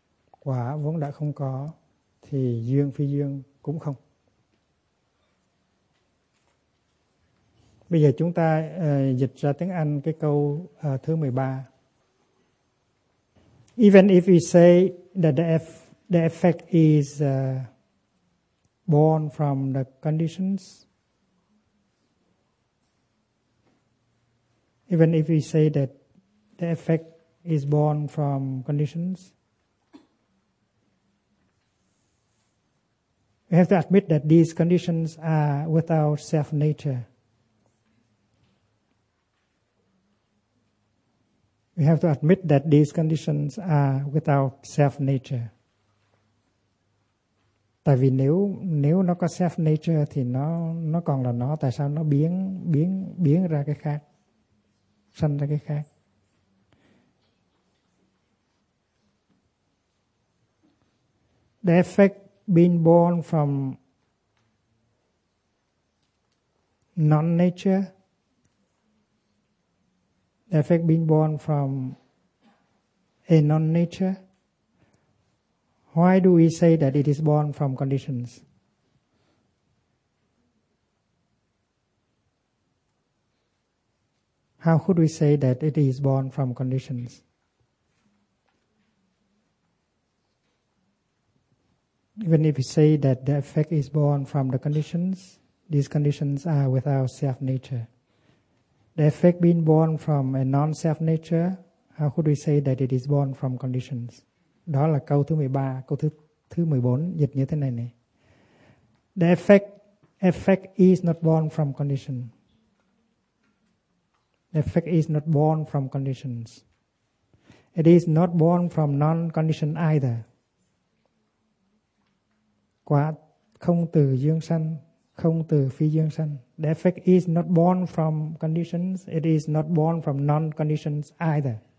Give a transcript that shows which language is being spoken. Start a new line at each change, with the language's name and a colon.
Vietnamese: Quả vốn đã không có thì duyên, phi duyên cũng không. Bây giờ chúng ta dịch ra tiếng Anh cái câu thứ 13.
English: Even if we say that the effect is born from the conditions, even if we say that the effect is born from conditions, we have to admit that these conditions are without self-nature. We have to admit that these conditions are without self-nature.
Vietnamese: Tại vì nếu nó có self-nature thì nó còn là nó, tại sao nó biến ra cái khác? Sanh ra cái khác.
English: The effect being born from non-nature, the effect being born from a non-nature, why do we say that it is born from conditions? How could we say that it is born from conditions? Even if we say that the effect is born from the conditions, these conditions are without self-nature. The effect being born from a non-self-nature, how could we say that it is born from conditions?
Vietnamese: Đó là câu thứ 13, câu thứ 14, dịch như thế này này.
English: The effect is not born from condition. The effect is not born from conditions. It is not born from non-condition either.
Vietnamese: Quả không từ duyên sanh, không từ phi duyên sanh.
English: The effect is not born from conditions. It is not born from non-conditions either.